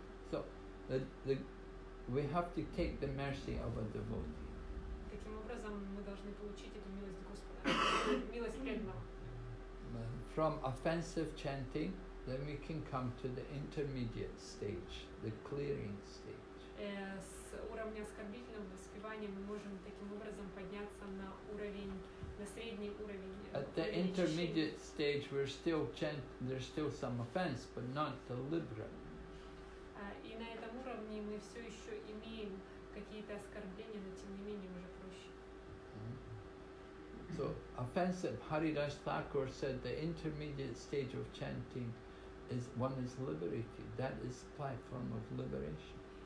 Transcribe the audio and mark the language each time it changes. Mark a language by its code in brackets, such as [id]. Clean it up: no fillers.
[en] So we have to take the mercy of a devotee. [ru] Таким образом мы должны получить эту милость Господа, милость преданного. [en] From offensive chanting, then we can come to the intermediate stage, the clearing stage. [ru] С уровня оскорбительного воспевания мы можем таким образом подняться на уровень, на средний уровень. [en] At the intermediate stage, we're still there's still some offense, but not deliberate. [ru] И на этом уровне мы все еще имеем какие-то оскорбления, но тем не менее уже проще. [en] So offensive, Haridas Thakur said, the intermediate stage of chanting is one is liberated. That is platform of liberation.